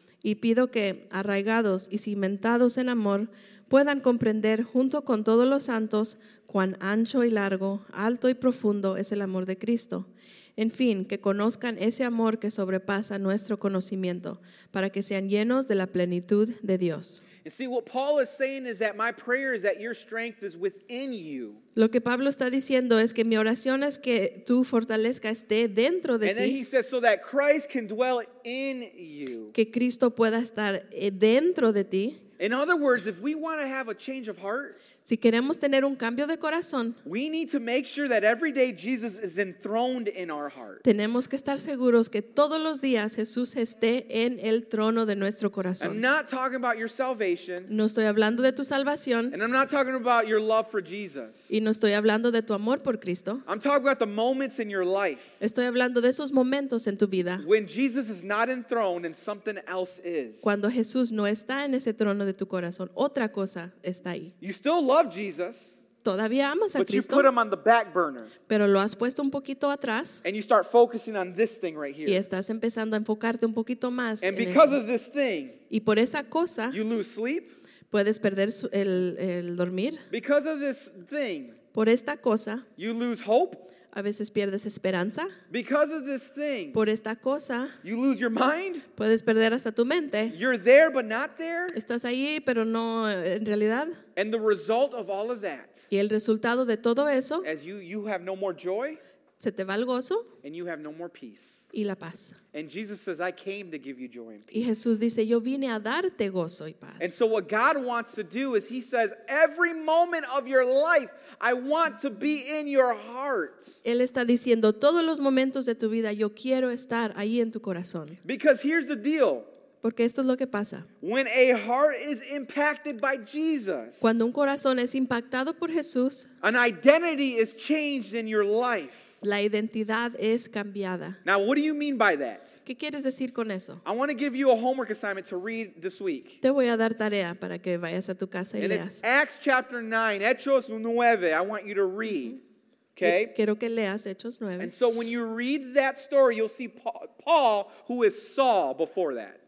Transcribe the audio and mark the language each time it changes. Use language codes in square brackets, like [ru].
[es] Y pido que, arraigados y cimentados en amor, puedan comprender junto con todos los santos cuán ancho y largo, alto y profundo es el amor de Cristo. En fin, que conozcan ese amor que sobrepasa nuestro conocimiento, para que sean llenos de la plenitud de Dios. [en] And see, what Paul is saying is that my prayer is that your strength is within you. [es] Lo que Pablo está diciendo es que mi oración es que tu fortaleza esté dentro de ti. [en] And then he says, so that Christ can dwell in you. [es] Que Cristo pueda estar dentro de ti. [en] In other words, if we want to have a change of heart, [es] si queremos tener un cambio de corazón, [en] we need to make sure that every day Jesus is enthroned in our heart. [es] Tenemos que estar seguros que todos los días Jesús esté en el trono de nuestro corazón. [en] I'm not talking about your salvation. [es] No estoy hablando de tu salvación. [en] And I'm not talking about your love for Jesus. [es] Y no estoy hablando de tu amor por Cristo. [en] I'm talking about the moments in your life. [es] Estoy hablando de esos momentos en tu vida. [en] When Jesus is not enthroned and something else is. [es] Cuando Jesús no está en ese trono de tu corazón, otra cosa está ahí. [en] You still love Jesus. [es] Todavía amas a Cristo. [en] But you put him on the back burner. [es] Pero lo has puesto un poquito atrás. [en] And you start focusing on this thing right here. [es] Y estás empezando a enfocarte un poquito más. [en] And because of this thing. [es] Y por esa cosa. [en] You lose sleep. [es] Puedes perder el dormir. [en] Because of this thing. [es] Por esta cosa. [en] You lose hope. [es] A veces pierdes esperanza. [en] Because of this thing. [es] Por esta cosa. [en] You lose your mind. [es] Puedes perder hasta tu mente. [en] You're there but not there. [es] Estás ahí pero no en realidad. [en] And the result of all of that. [es] Y el resultado de todo eso. [en] As you have no more joy. [es] Se te va el gozo. [en] And you have no more peace. [es] Y la paz. [en] And Jesus says, I came to give you joy and peace. [es] Y Jesús dice, yo vine a darte gozo y paz. [en] And so what God wants to do is he says, every moment of your life, I want to be in your heart. [es] Él está diciendo, todos los momentos de tu vida, yo quiero estar ahí en tu corazón. [en] Because here's the deal. [es] Porque esto es lo que pasa. [en] When a heart is impacted by Jesus. [es] Cuando un corazón es impactado por Jesús. [en] An identity is changed in your life. [es] La identidad es cambiada. [en] Now, what do you mean by that? [es] ¿Qué quieres decir con eso? [en] I want to give you a homework assignment to read this week. [es] Te voy a dar tarea para que vayas a tu casa y [en] and [es] leas. [en] It's Acts chapter 9, Hechos 9, I want you to read. Okay? [es] Quiero que leas Hechos 9. [en] And so when you read that story, you'll see Paul, who is Saul before that.